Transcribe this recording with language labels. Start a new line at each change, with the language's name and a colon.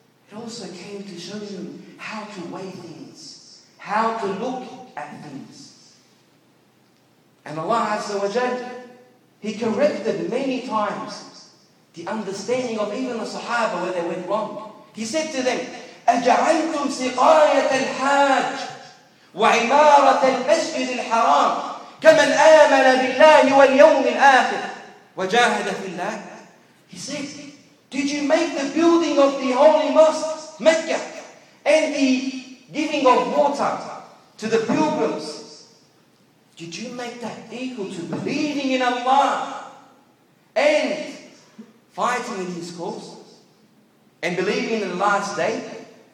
English: It also came to show them how to weigh things, how to look at things. And Allah Azza wa Jal, He corrected many times the understanding of even the Sahaba where they went wrong. He said to them,
Arabic: أَجَعَلْتُمْ سِقَايَةَ الْحَاجِ وَعِمَارَةَ الْمَسْجِدِ الْحَرَامِ كَمَنْ آمَنَ بِاللَّهِ وَالْيَوْمِ الْآخِرِ وَجَاهَدَ فِي اللَّهِ.
English: He said, did you make the building of the holy mosque, Mecca, and the giving of water to the pilgrims, did you make that equal to believing in Allah and fighting in His cause and believing in the last day?